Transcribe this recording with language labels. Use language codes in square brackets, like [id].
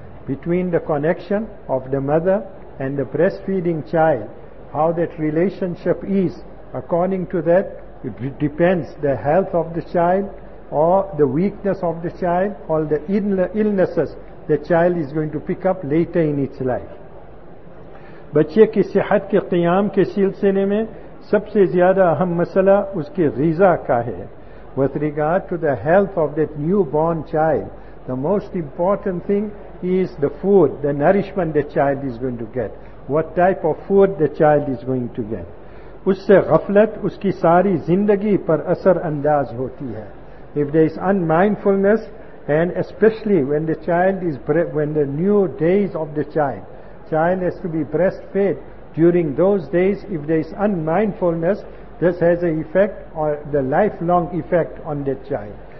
[en] Between the connection of the mother and the breastfeeding child, how that relationship is, according to that, it depends the health of the child or the weakness of the child or the illnesses the child is going to pick up later in its life. [ur] بچے کی صحت کے قیام کے سلسلے میں سب سے زیادہ اہم مسئلہ اس کی غذا کا ہے. [en] With regard to the health of that newborn child, the most important thing is the food, the nourishment the child is going to get. What type of food the child is going to get. [ur] اس سے غفلت اس کی ساری زندگی پر اثر انداز ہوتی ہے. [en] If there is unmindfulness, and especially when the child is, when the new days of the child, child has to be breastfed during those days, if there is unmindfulness, this has an effect or the lifelong effect on that child.